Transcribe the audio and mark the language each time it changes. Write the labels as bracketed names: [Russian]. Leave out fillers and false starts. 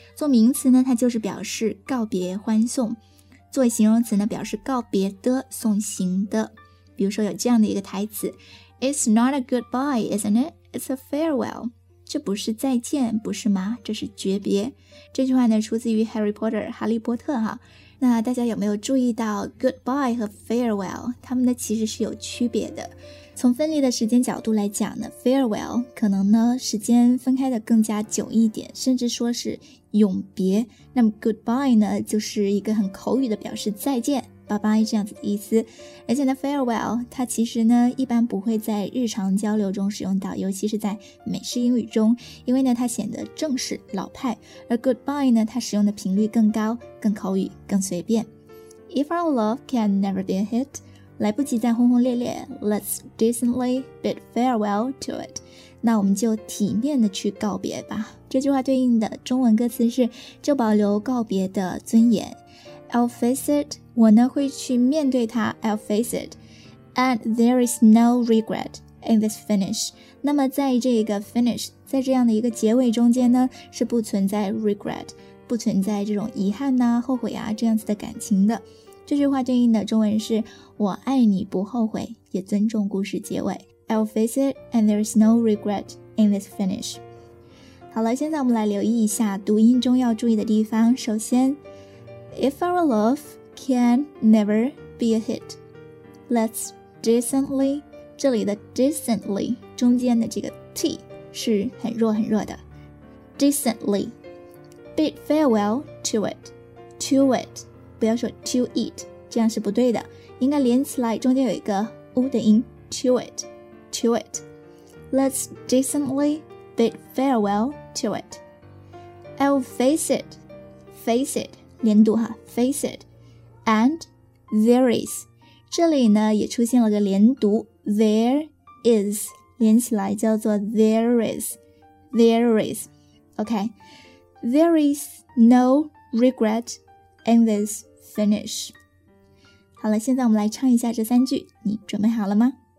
[Chinese] 做名词呢，它就是表示告别、欢送；做形容词呢，表示告别的、送行的。比如说有这样的一个台词 [English] It's not a goodbye, isn't it? It's a farewell. [Chinese] 这不是再见不是吗？这是诀别。这句话呢出自于 Harry Potter 哈利波特哈。那大家有没有注意到 goodbye 和 farewell 它们呢其实是有区别的。从分离的时间角度来讲呢， farewell 可能呢时间分开的更加久一点，甚至说是永别。那么 goodbye 呢就是一个很口语的表示再见，拜拜这样子的意思。而且呢 farewell 它其实呢一般不会在日常交流中使用到，尤其是在美式英语中，因为呢它显得正式老派。而 goodbye 呢它使用的频率更高，更口语，更随便。 [English] If our love can never be a hit， [Chinese] 来不及再轰轰烈烈， [English] Let's decently bid farewell to it， [Chinese] 那我们就体面的去告别吧。这句话对应的中文歌词是就保留告别的尊严。 [English] I'll face it， [Chinese] 我呢会去面对它。 [English] I'll face it， and there is no regret in this finish。 [Chinese] 那么在这个 finish， 在这样的一个结尾中间呢，是不存在 regret， 不存在这种遗憾啊、后悔啊这样子的感情的。这句话对应的中文是：我爱你不后悔，也尊重故事结尾。 [English] I'll face it， and there is no regret in this finish。 [Chinese] 好了，现在我们来留意一下读音中要注意的地方。首先。 [English] If our love can never be a hit, let's decently. [Chinese] 这里的 decently 中间的这个 t 是很弱很弱的。 [English] Decently, bid farewell to it. To it, [Chinese] 不要说 [English] to it, [Chinese] 这样是不对的。应该连起来，中间有一个 u 的音。 [English] To it, to it. Let's decently bid farewell to it. I'll face it, face it. [Chinese] 连读哈 [English] ，face it， and there is， [Chinese] 这里呢也出现了个连读 [English] ，there is， [Chinese] 连起来叫做 [English] there is， OK， there is no regret in this finish。 [Chinese] 好了，现在我们来唱一下这三句，你准备好了吗？